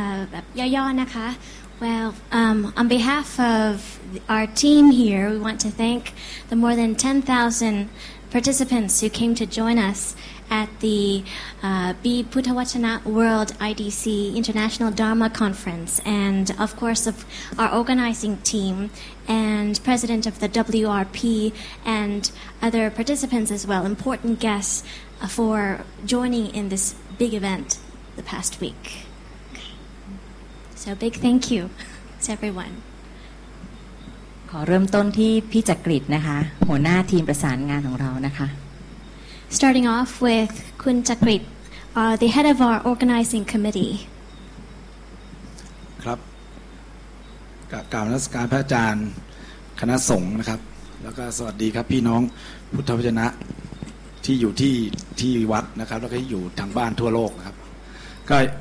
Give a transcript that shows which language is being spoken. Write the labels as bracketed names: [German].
[Thai] แบบย่อๆนะคะ [English] Well on behalf of our team here we want to thank the more than 10,000 participants who came to join usAt the B Puttawachana World IDC International Dharma Conference, and of course of our organizing team and president of the WRP and other participants as well, important guests for joining in this big event the past week. So big thank you to everyone. [Thai] ขอเริ่มต้นที่พี่จักริดนะคะหัวหน้าทีมประสานงานของเรานะคะ [English] Starting off with Kun Chakrit, the head of our organizing committee. [Thai] ครับกราบกล่าวนมัสการพระอาจารย์คณะสงฆ์นะครับแล้วก็สวัสดีครับพี่น้องพุทธวจนะที่อยู่ที่วัดนะครับแล้วก็อยู่ทางบ้านทั่วโลกครับก็